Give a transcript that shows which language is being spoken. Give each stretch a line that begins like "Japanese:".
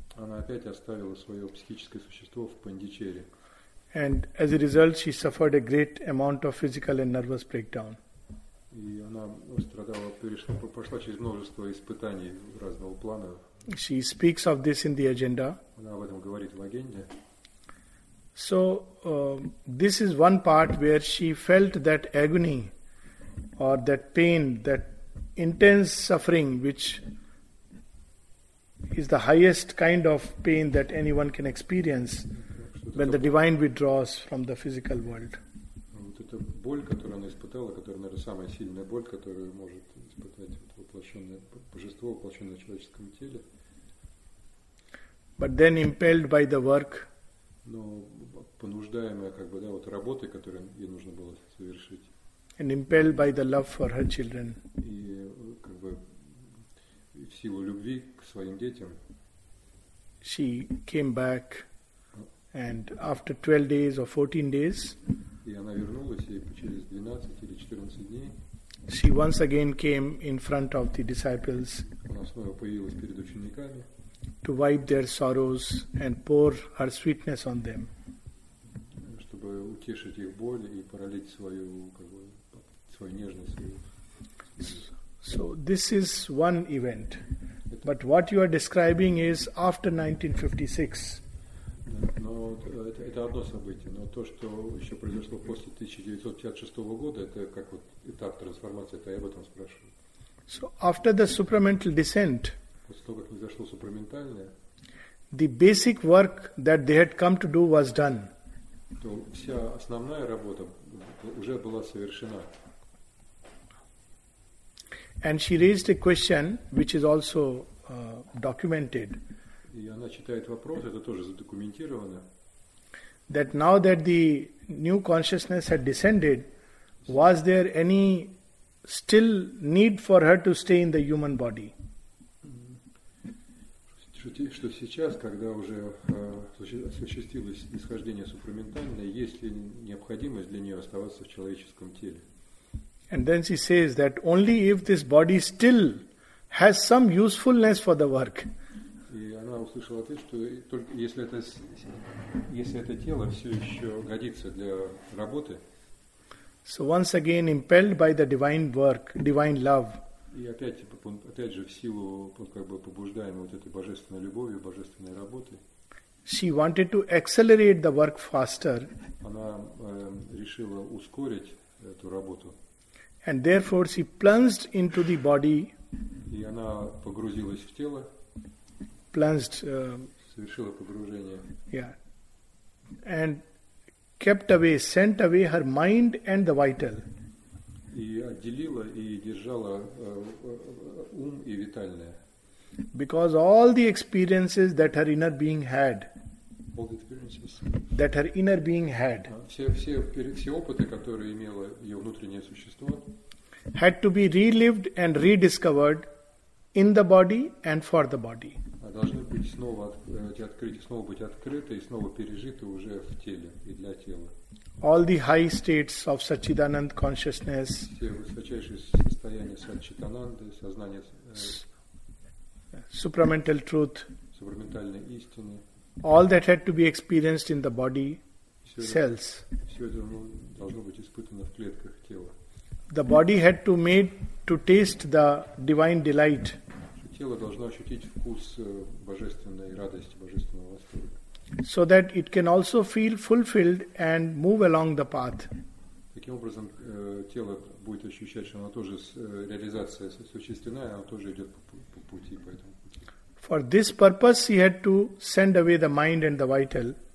Russian: Она опять оставила свое психическое существо в Пондичерри.
English: And as a result she suffered a great amount of physical and nervous breakdown.
Russian: И она страдала, прошла через множество испытаний разного плана.
English: She speaks of this in the agenda.
Russian: Она об этом говорит в агенде.
English: So, this is one part where she felt that agony or that pain, that intense suffering, which is the highest kind of pain that anyone can experience when the divine withdraws from the physical world.
Russian: Вот эта боль, которую она испытала, которая, наверное, самая сильная боль, которую может испытать воплощенное божество, воплощенное в человеческом теле.
English: But then impelled by the work,
Russian: но понуждаемая как бы да вот работой, которую ей нужно было совершить,
English: and impelled by the love for her children,
Russian: и как бы в силу любви к своим детям,
English: she came back, and after 12 days or 14 days,
Russian: и она вернулась и через 12 или 14 дней,
English: she once again came in front of the disciples,
Russian: она снова появилась перед учениками.
English: To wipe their sorrows and pour her sweetness on them.
Russian: Чтобы утешить их боль и пролить свою как бы свою нежность.
English: So this is one event. But what you are describing is after 1956.
Russian: Но это одно событие. Но то, что еще произошло после 1956 года, это как вот этап трансформации. Это я об этом спрашиваю.
English: So after the supramental descent.
Russian: После того, как произошло супраментальное,
English: the basic work that they had come to do was done.
Russian: То вся основная работа уже была совершена.
English: And she raised a question, which is also documented.
Russian: И она читает вопрос, это тоже задокументировано.
English: That now that the new consciousness had descended, was there any still need for her to stay in the human body?
Russian: Что сейчас, когда уже осуществилось нисхождение супраментальное, есть ли необходимость для нее оставаться в человеческом теле?
English: And then she says that only if this body still has some usefulness for the work.
Russian: И она услышала ответ, что только если это тело все еще годится для работы.
English: So once again impelled by the divine work, divine love.
Russian: И опять же в силу как бы побуждаемой вот этой божественной любовью, божественной работы.
English: She wanted to accelerate the work faster.
Russian: Она решила ускорить эту работу.
English: And therefore she plunged into the body.
Russian: И она погрузилась в тело.
English: Plunged.
Russian: Совершила погружение.
English: Yeah. And kept away, sent away her mind and the vital.
Russian: И отделила и держала ум и витальное.
English: Because all the experiences that her inner being had. All the experiences. That her inner being had.
Russian: Все опыты, которые имело ее внутреннее существо.
English: Had to be relived and rediscovered in the body and for the body.
Russian: Должны быть снова открыты, снова быть открыты и снова пережиты уже в теле и для тела.
English: All the high states of Satchidanand consciousness.
Russian: Все высочайшие состояния Сатчитананды, сознание.
English: Supramental truth.
Russian: Супраментальной истины.
English: All that had to be experienced in the body, cells.
Russian: Все это должно быть испытано в клетках тела.
English: The body had to made to taste the divine delight.
Russian: Тело должно ощутить вкус божественной радости, божественного восторга.
English: So that it can also feel fulfilled and move along the path.
Russian: Таким образом, тело будет ощущать, что оно тоже реализация существенная, оно тоже идет по пути, по этому пути.
English: For this purpose, he had to send away the mind and the vital.